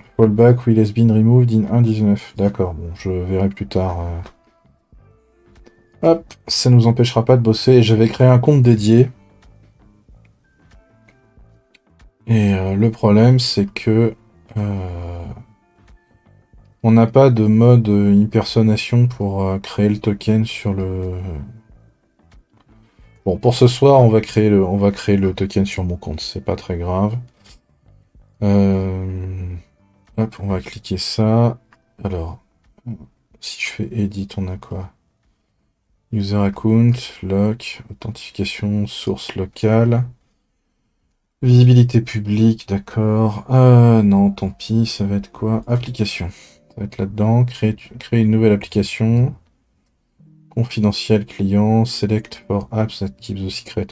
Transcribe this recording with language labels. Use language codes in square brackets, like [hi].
[en] Fallback will has been removed in 1.19. [fr] D'accord, bon, je verrai plus tard. Hop, ça nous empêchera pas de bosser. Et j'avais créé un compte dédié. Et le problème, c'est que on n'a pas de mode impersonation pour créer le token sur le. Bon, pour ce soir, on va créer le token sur mon compte. C'est pas très grave. Hop, on va cliquer ça. Alors, si je fais edit, on a quoi? User account, lock, authentification, source locale, visibilité publique, d'accord. Non, tant pis, ça va être quoi? Application. Ça va être là-dedans. Créer une nouvelle application. Confidentiel client. [en] Select for apps that keep the secret.